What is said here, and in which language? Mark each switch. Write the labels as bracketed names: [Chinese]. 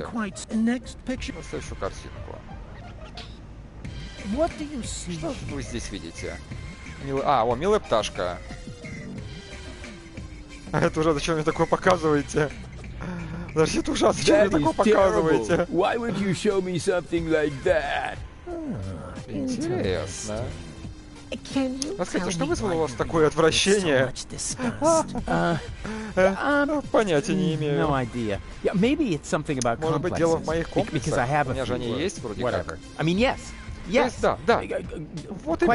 [English] Something quite next picture. [Russian] Следующую картинку. [English] What do you see? [Russian] Что вы здесь видите? Вот милая пташка. Это уже зачем мне такое показываете? Зачем это ужасно? Зачем мне такое показываете? Why would you show me something like that? Интересно. Расскажите, что вызвало у вас такое отвращение? Понятия не имею. [English] No idea. Yeah, maybe it's something about complexes. [Russian] Может быть, дело в моих комплексах. У меня же они есть, вроде как. [English] I mean, yes. Yes. [Russian] Да, да. Вот именно.